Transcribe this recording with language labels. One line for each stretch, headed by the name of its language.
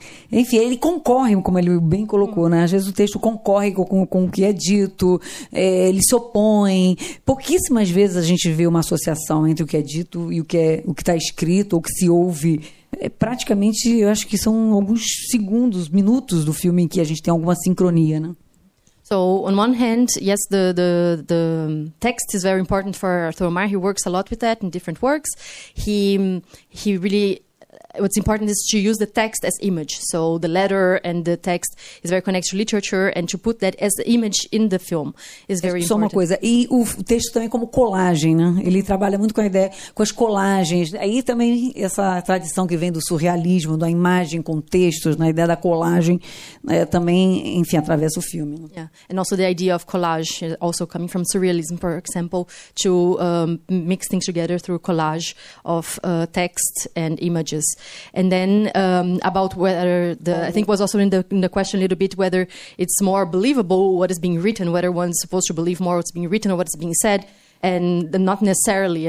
Portuguese: Enfim, ele concorre, como ele bem colocou, né? Às vezes o texto concorre com o que é dito, ele se opõe. Pouquíssimas vezes a gente vê uma associação entre o que é dito e o que está escrito, ou o que se ouve. Praticamente, eu acho que são alguns segundos, minutos do filme em que a gente tem alguma sincronia, né?
English: So on one hand, yes, the text is very important for Arthur Omar. He works a lot with that in different works. He really, what's important is to use the text as image. So the letter and the text is very connected to literature, and to put that as the image in the film is very important.
Portuguese: Só uma coisa, e o texto também como colagem, né? Ele trabalha muito com a ideia, com as colagens. Aí também essa tradição que vem do surrealismo, da imagem com textos, na ideia da colagem, também, enfim, através do filme. Né?
English: Yeah, and also the idea of collage, also coming from surrealism, for example, to mix things together through collage of text and images. And then about whether the, I think was also in the question a little bit, whether it's more believable what is being written, whether one's supposed to believe more what's being written or what's being said, and not necessarily.